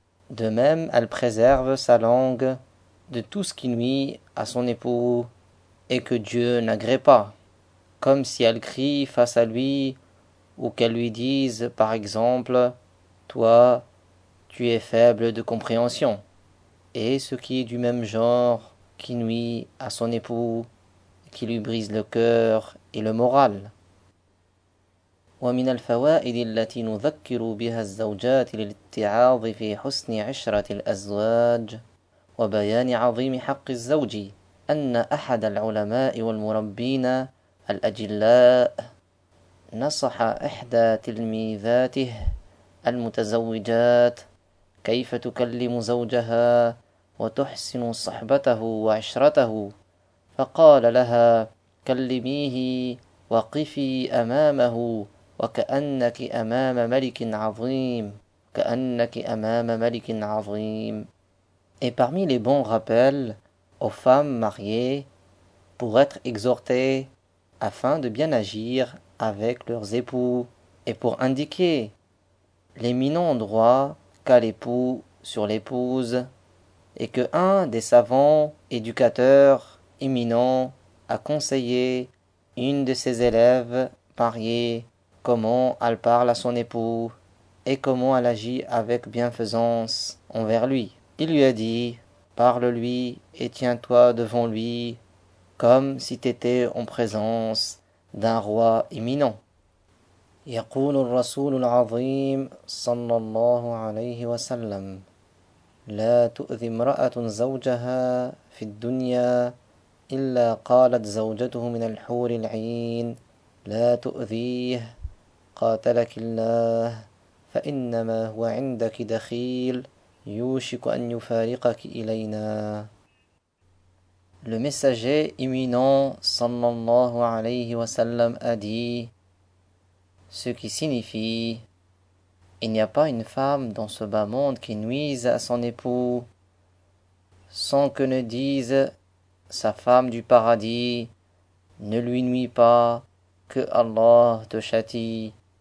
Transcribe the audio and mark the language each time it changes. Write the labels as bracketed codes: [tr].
[fr] De même, elle préserve sa langue de tout ce qui nuit à son époux et que Dieu n'agrée pas, comme si elle crie face à lui ou qu'elle lui dise par exemple « Toi, tu es faible de compréhension » et ce qui est du même genre qui nuit à son époux qui lui brise le cœur et le moral. [ar] ومن الفوائد التي نذكر بها الزوجات للاتعاظ في حسن عشرة الأزواج وبيان عظيم حق الزوج أن أحد العلماء والمربين الأجلاء نصح إحدى تلميذاته المتزوجات كيف تكلم زوجها وتحسن صحبته وعشرته فقال لها كلميه وقفي أمامه وكأنك أمام ملك عظيم كأنك أمام ملك عظيم. [fr] Et parmi les bons rappels aux femmes mariées pour être exhortées afin de bien agir avec leurs époux et pour indiquer l'éminent droit qu'a l'époux sur l'épouse et que un des savants éducateurs éminents a conseillé une de ses élèves mariées comment elle parle à son époux et comment elle agit avec bienfaisance envers lui. Il lui a dit, parle-lui et tiens-toi devant lui comme si tu étais en présence d'un roi imminent. [ar] يقول الرسول العظيم صلى الله عليه وسلم لا تؤذي امرأة زوجها في الدنيا إلا قالت زوجته من الحور العين لا تؤذيه قاتلك الله فإنما هو عندك دخيل يوشك أن يفارقك إلينا. [fr] Le messager imminent [ar] صلى الله عليه وسلم [fr] a dit, ce qui signifie « Il n'y a pas une femme dans ce bas monde qui nuise à son époux, sans que ne dise sa femme du paradis, ne lui nuis pas, que Allah te châtie.